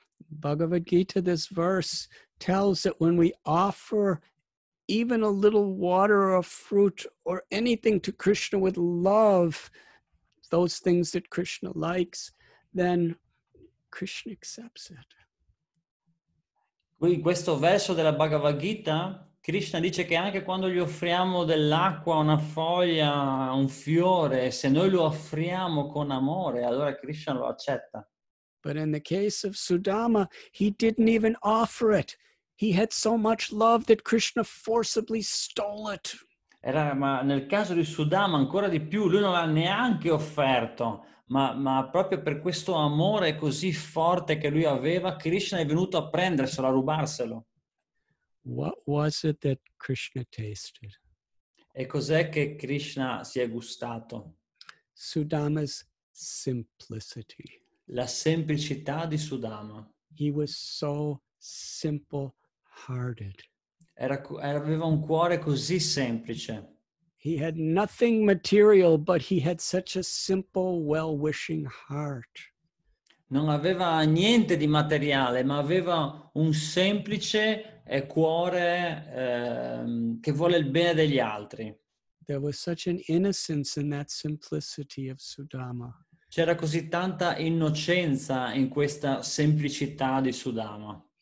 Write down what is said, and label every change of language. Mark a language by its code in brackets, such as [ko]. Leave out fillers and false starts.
[en] Bhagavad Gita, this verse tells that when we offer even a little water or fruit or anything to Krishna with love, those things that Krishna likes, then Krishna accepts it. [it] Qui in questo verso della Bhagavad Gita, Krishna dice che anche quando gli offriamo dell'acqua, una foglia, un fiore, se noi lo offriamo con amore, allora Krishna lo accetta. [en] But in the case of Sudama, he didn't even offer it. He had so much love that Krishna forcibly stole it. [it] Ma nel caso di Sudama, ancora di più, lui non l'ha neanche offerto, ma proprio per questo amore così forte che lui aveva, Krishna è venuto a prenderselo, a rubarselo. [en] What was it that Krishna tasted? [it] E cos'è che Krishna si è gustato? [en] Sudama's simplicity. [it] La semplicità di Sudama. [en] He was so simple-hearted. [it] Aveva un cuore così semplice. [en] He had nothing material, but he had such a simple, well-wishing heart. [it] Non aveva niente di materiale, ma aveva un semplice cuore che vuole il bene degli altri. [en] There was such an innocence in that simplicity of Sudama. [it] C'era così tanta innocenza in questa semplicità di Sudama.